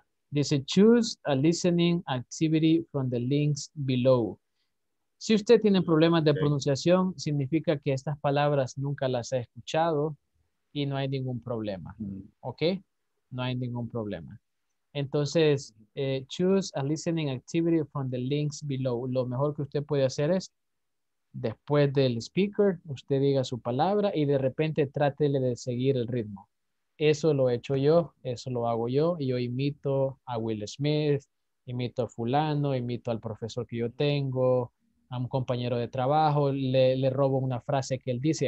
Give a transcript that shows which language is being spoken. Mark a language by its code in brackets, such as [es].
[es] Dice, [en] choose a listening activity from the links below. [es] Si usted tiene problemas de pronunciación, significa que estas palabras nunca las ha escuchado y no hay ningún problema. ¿Ok? No hay ningún problema. Entonces, [en] choose a listening activity from the links below. [es] Lo mejor que usted puede hacer es después del speaker, usted diga su palabra y de repente trátele de seguir el ritmo. Eso lo he hecho yo, eso lo hago yo. Y yo imito a Will Smith, imito a fulano, imito al profesor que yo tengo, a un compañero de trabajo, le robo una frase que él dice.